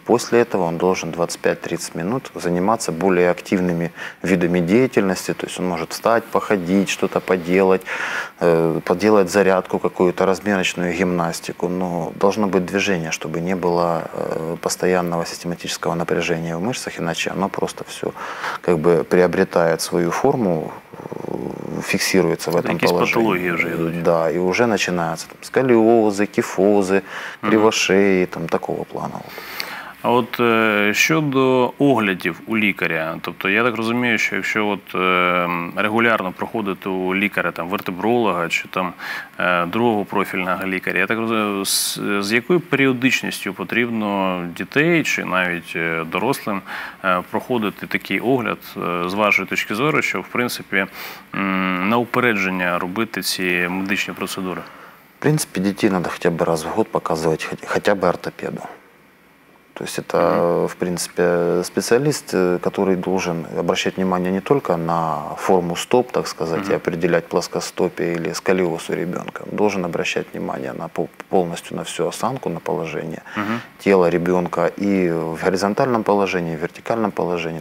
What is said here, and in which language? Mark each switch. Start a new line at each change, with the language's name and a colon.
Russian: После этого он должен 25-30 минут заниматься более активными видами деятельности, то есть он может встать, походить, что-то поделать, поделать зарядку какую-то, разминочную гимнастику, но должно быть движение, чтобы не было постоянного систематического напряжения в мышцах, иначе оно просто все как бы приобретает свою форму, фиксируется в этом положении. Какие-то патологии уже идут. Да, и уже начинаются там, сколиозы, кифозы, кривошеи, там, такого плана. Вот.
Ukrainian: А от щодо оглядів у лікаря, тобто я так розумію, що якщо от регулярно проходити у лікаря, там, вертебролога чи там другого профільного лікаря, я так розумію, з якою періодичністю потрібно дітей чи навіть дорослим проходити такий огляд з вашої точки зору, що в принципі на упередження робити ці медичні процедури? В принципі, дітей треба хоча б раз в рік показувати, хоча б ортопеду.
Russian: То есть это, в принципе, специалист, который должен обращать внимание не только на форму стоп, так сказать, и определять плоскостопие или сколиоз у ребенка. Должен обращать внимание на полностью на всю осанку, на положение тела ребенка и в горизонтальном положении, и в вертикальном положении.